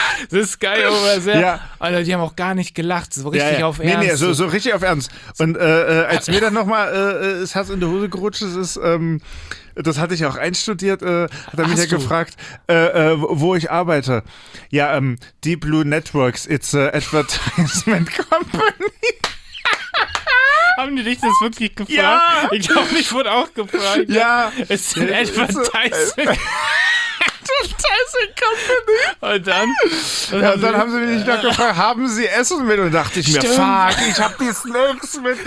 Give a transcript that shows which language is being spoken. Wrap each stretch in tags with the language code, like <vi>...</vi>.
<en>The sky over there.</en> <de>Ja. Alter, die haben auch gar nicht gelacht. So richtig auf Ernst. Nee, so richtig auf Ernst. Und als mir dann nochmal das Herz in die Hose gerutscht ist, das hatte ich auch einstudiert, hat er mich ja gefragt, wo ich arbeite.</de> <en>Ja, Deep Blue Networks, it's an advertisement company.</en> <de>Haben die dich das wirklich gefragt? Ja. Ich glaube, ich wurde auch gefragt. Ja. Es sind Advertising</de> <en>Company.</en> <de>Und dann? Dann haben sie mich nicht noch gefragt, haben sie Essen mit? Und dachte ich mir, fuck, ich habe die Snacks mit.</de>